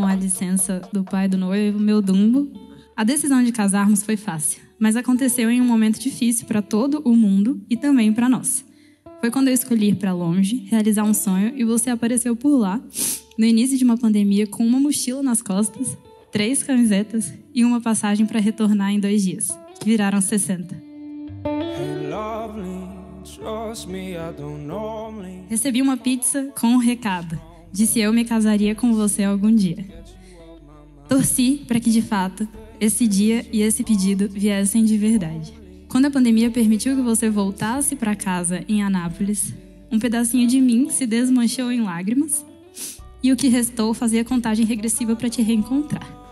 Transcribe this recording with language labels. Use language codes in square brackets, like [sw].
[pt] festa do pai do noivo, meu Dumbo. A decisão de casarmos foi fácil, mas aconteceu em um momento difícil para todo o mundo e também para nós. Foi quando eu escolhi ir para longe, realizar um sonho e você apareceu por lá, no início de uma pandemia, com uma mochila nas costas, 3 camisetas e uma passagem para retornar em 2 dias, que viraram 60. [en] Hey, lovely, trust me, I don't normally... [pt] Recebi uma pizza com um recado. Disse eu me casaria com você algum dia. Torci para que, de fato, esse dia e esse pedido viessem de verdade. Quando a pandemia permitiu que você voltasse para casa em Anápolis, um pedacinho de mim se desmanchou em lágrimas e o que restou fazia contagem regressiva para te reencontrar.